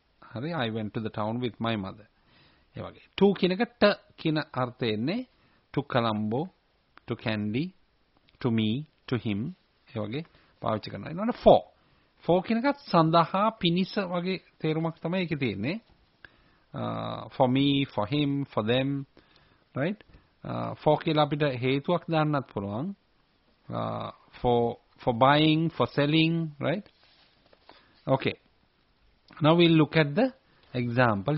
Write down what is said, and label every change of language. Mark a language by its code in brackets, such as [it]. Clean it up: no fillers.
[en] හරි I went to the town with my mother. [si] ඒ වගේ. [en] To [si] කියන එක ට කියන අර්ථය එන්නේ [en] to Colombo, to Candy, to me, to him. [si] ඒ වගේ පාවිච්චි කරනවා. ඊළඟට for. For කියන එකත් සඳහා පිනිස වගේ තේරුමක් තමයි ඒකේ තියෙන්නේ. [en] For me, for him, for them. Right? For [si] කියලා අපිට හේතුවක් දාන්නත් පුළුවන්. [en] For buying, for selling, right? Okay, now we'll look at the example.